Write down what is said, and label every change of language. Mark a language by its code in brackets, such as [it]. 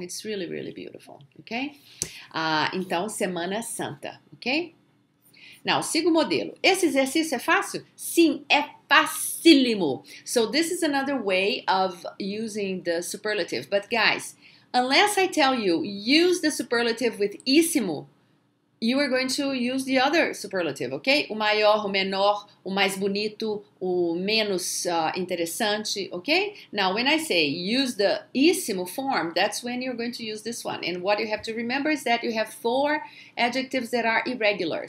[en] It's really, really beautiful, okay? [pt] Então, Semana Santa, [en] okay? Now, [pt] siga o modelo. Esse exercício é fácil? Sim, é facílimo. [en] So, this is another way of using the superlative. But, guys, unless I tell you, use the superlative with íssimo, you are going to use the other superlative, okay? [pt] O maior, o menor, o mais bonito, o menos interessante, okay? [en] Now, when I say use the íssimo form, that's when you're going to use this one. And what you have to remember is that you have four adjectives that are irregular.